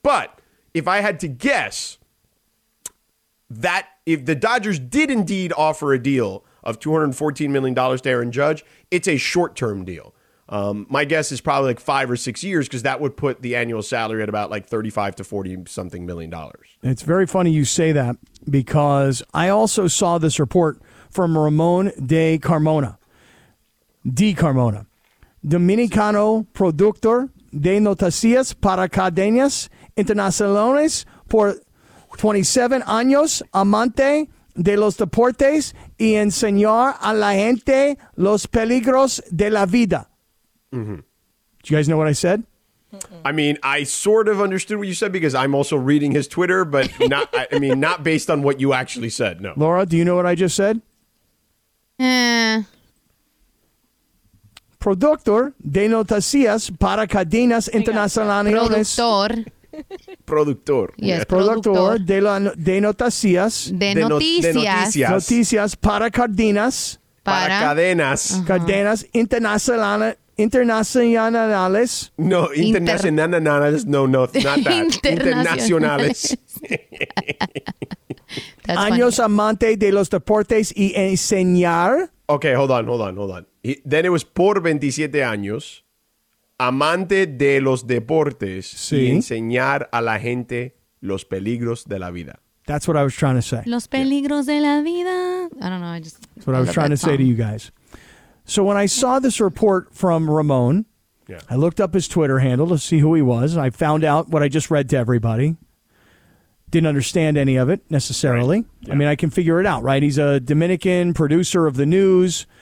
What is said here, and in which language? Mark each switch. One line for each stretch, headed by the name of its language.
English: But if I had to guess, that if the Dodgers did indeed offer a deal of $214 million to Aaron Judge, it's a short-term deal. My guess is probably like 5 or 6 years, because that would put the annual salary at about like 35 to 40 something million dollars. It's very funny you say that, because I also saw this report from Ramon de Carmona. Di Carmona.
Spanish: Dominicano productor de noticias para cadenas internacionales por 27 años, amante de los deportes y enseñar a la gente los peligros de la vida. Mm-hmm.
English: Do you guys know what I said? I mean, I sort of understood what you said, because I'm also reading his Twitter, but not, I mean, not based on what you actually said, no. Laura, do you know what I just said?
Spanish: Productor de noticias para cadenas internacionales. Productor.
English: Yes,
Spanish: productor de noticias. De noticias. Noticias para cadenas. Para cadenas. Uh-huh. Cadenas internacionales. Internacionales? No, internacionales. No, no,
English: not that.
Spanish: Internacionales.
English: That's
Spanish: Años funny. Amante de los deportes y enseñar.
English: Okay, hold on. Then it was
Spanish: por 27 años, amante de los deportes sí. y enseñar a la gente los peligros de la vida.
English: That's what I was trying to say.
Spanish: Los peligros
English: yeah.
Spanish: de la vida.
English: I don't know. I just. That's what I was trying to song. Say to you guys. So when I saw this report from Ramon, yeah. I looked up his Twitter handle to see who he was. And I found out what I just read to everybody. Didn't understand any of it necessarily. Right. Yeah. I mean, I can figure it out, right? He's a Dominican producer of the news.